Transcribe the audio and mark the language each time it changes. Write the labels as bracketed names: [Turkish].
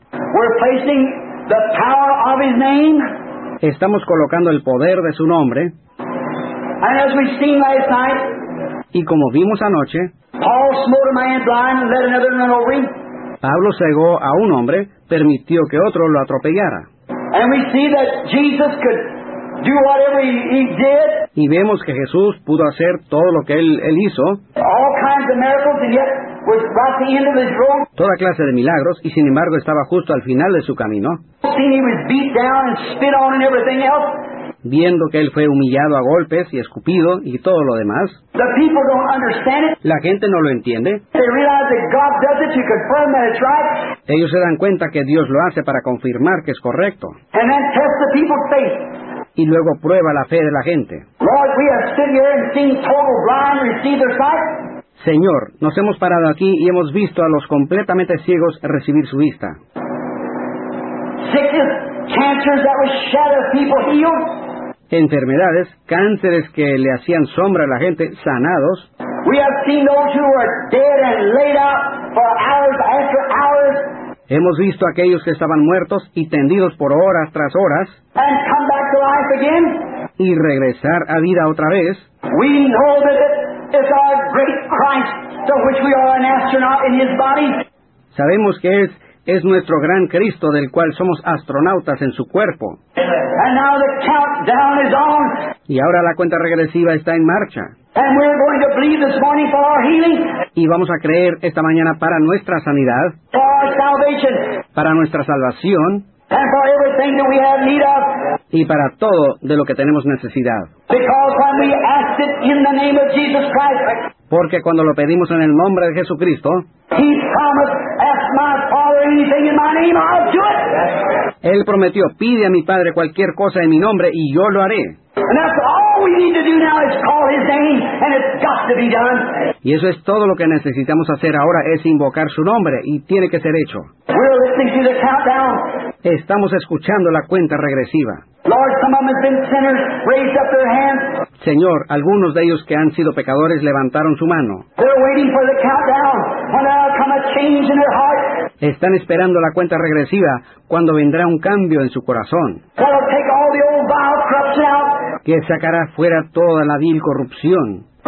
[English] We're placing the power of His name. [Spanish] Estamos colocando el poder de su nombre. [English] And as we've seen last night, [Spanish] y como vimos anoche, [English] Paul smote a man blind and let another run over him. [Spanish] Pablo cegó a un hombre, permitió que otro lo atropellara. [English] And we see that Jesus could do whatever he did. [Spanish] Y vemos que Jesús pudo hacer todo lo que él hizo. [English] All kinds of miracles, and yet was right at the end of his road. [Spanish] Toda clase de milagros, y sin embargo estaba justo al final de su camino. [English] Seeing he was beat down and spit on and everything else. [Spanish] Viendo que él fue humillado a golpes y escupido y todo lo demás. [English] The people don't understand it. [Spanish] La gente no lo entiende. [English] They realize that God does it to confirm that it's right. [Spanish] Ellos se dan cuenta que Dios lo hace para confirmar que es correcto. [English] And then test the people's faith. [Spanish] Y luego prueba la fe de la gente. [English] Lord, we have stood here and seen total blind receive their sight. [Spanish] Señor, nos hemos parado aquí y hemos visto a los completamente ciegos recibir su vista. [English] Sickness, cancers that would shatter people healed. [Spanish] Enfermedades, cánceres que le hacían sombra a la gente, sanados. [English] We have seen those who were dead and laid out for hours after hours. [Spanish] Hemos visto a aquellos que estaban muertos y tendidos por horas tras horas. [English] And come back to life again. [Spanish] Y regresar a vida otra vez. [English] We know that it's our great Christ to which we are an astronaut in His body. [Spanish] Sabemos que es nuestro gran Cristo del cual somos astronautas en su cuerpo. [English] And now the countdown is on. [Spanish] Y ahora la cuenta regresiva está en marcha. [English] And we're going to believe this morning for our healing. [Spanish] Y vamos a creer esta mañana para nuestra sanidad. [English] For our salvation. [Spanish] Para nuestra salvación. [English] And for everything that we have need of. [Spanish] Y para todo de lo que tenemos necesidad. [English] Because when we ask it in the name of Jesus Christ. [Spanish] Porque cuando lo pedimos en el nombre de Jesucristo. [English] He promised, ask my Father anything in my name, I'll do it. [Spanish] Él prometió, pide a mi Padre cualquier cosa en mi nombre y yo lo haré. [English] And that's all we need to do now is call His name, and it's got to be done. [Spanish] Y eso es todo lo que necesitamos hacer ahora, es invocar su nombre, y tiene que ser hecho. [English] We're listening to the countdown. [Spanish] Estamos escuchando la cuenta regresiva. [English] Lord, some of them have been sinners, raised up their hands. [Spanish] Señor, algunos de ellos que han sido pecadores levantaron su mano. [English] They're waiting for the countdown. When there will come a change in their heart. [Spanish] Están esperando la cuenta regresiva cuando vendrá un cambio en su corazón. [English] That'll take all the old vile corruption out. [Spanish] Que sacará fuera toda la vil corrupción.